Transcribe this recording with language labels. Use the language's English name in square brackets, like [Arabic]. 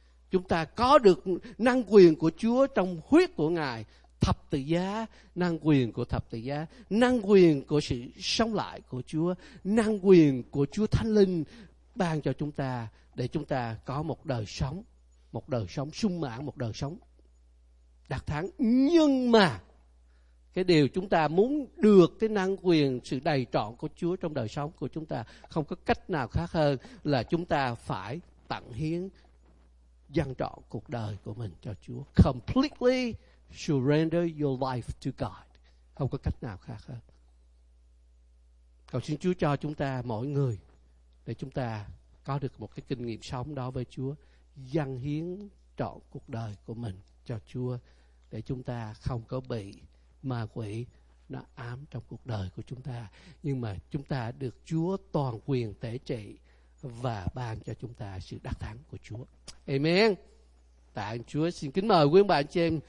[Vietnamese] Chúng ta có được năng quyền của Chúa trong huyết của Ngài, thập tự giá, năng quyền của thập tự giá, năng quyền của sự sống lại của Chúa, năng quyền của Chúa Thánh Linh ban cho chúng ta, để chúng ta có một đời sống sung mãn, một đời sống đắc thắng. Nhưng mà cái điều chúng ta muốn được cái năng quyền, sự đầy trọn của Chúa trong đời sống của chúng ta, không có cách nào khác hơn là chúng ta phải tận hiến, dâng trọn cuộc đời của mình cho Chúa. [English] Completely surrender your life to God. [Vietnamese] Không có cách nào khác hơn. Cầu xin Chúa cho chúng ta mỗi người, để chúng ta có được một cái kinh nghiệm sống đó với Chúa, dâng hiến trọn cuộc đời của mình cho Chúa, để chúng ta không có bị ma quỷ nó ám trong cuộc đời của chúng ta, nhưng mà chúng ta được Chúa toàn quyền tể trị và ban cho chúng ta sự đắc thắng của Chúa. Amen. Tạ ơn Chúa. Xin kính mời quý ông bà anh chị em.